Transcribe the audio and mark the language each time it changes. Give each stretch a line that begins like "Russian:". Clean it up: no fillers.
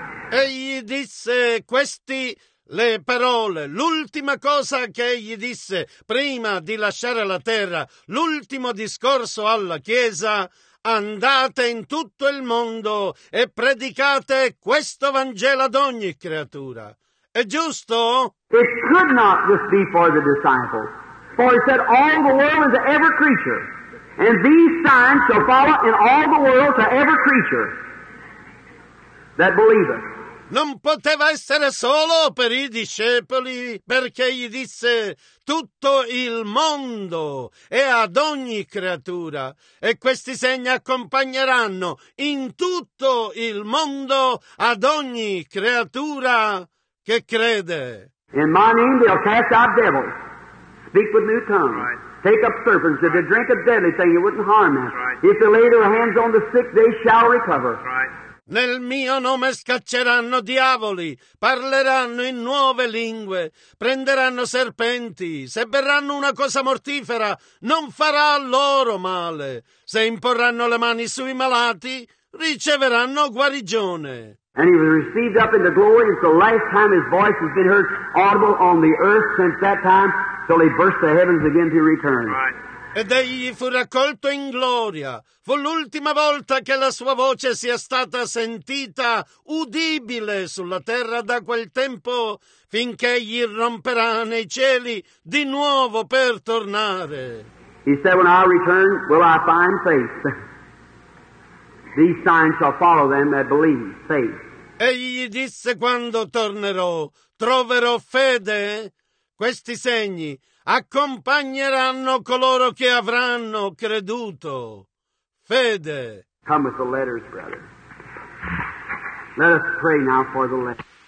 Italian: Egli disse queste le parole, l'ultima cosa che egli disse prima di lasciare la terra, l'ultimo discorso alla Chiesa, andate in tutto il mondo e predicate questo Vangelo ad ogni creatura. È giusto?
English: It could not just be for the disciples. For he said, all the world is every creature. And these signs shall follow in all the world to every creature that believeth.
Italian: non poteva essere solo per i discepoli, perché gli disse: tutto il mondo è ad ogni creatura, e questi segni accompagneranno in tutto il mondo ad ogni creatura che crede.
English: In my name they'll cast out devils, speak with new tongues, take up serpents. If they drink a deadly thing, it wouldn't harm them. If they lay their hands on the sick, they shall recover.
Italian: Nel mio nome scacceranno diavoli, parleranno in nuove lingue, prenderanno serpenti, se berranno una cosa mortifera non farà loro male, se imporranno le mani sui malati riceveranno guarigione.
English: And he was received up into glory, and it's the last time his voice has been heard audible on the earth since that time, till he burst the heavens again to return.
Italian: Ed egli fu raccolto in gloria. Fu l'ultima volta che la sua voce sia stata sentita udibile sulla terra da quel tempo, finché egli romperà nei cieli di nuovo per tornare.
English: He said, when I return, will I find faith? These signs shall follow them that believe, faith.
Italian: Egli disse, quando tornerò, troverò fede? Questi segni accompagneranno coloro che avranno creduto. Fede.
English: Come with the letters, brother. Let us pray now for the letters.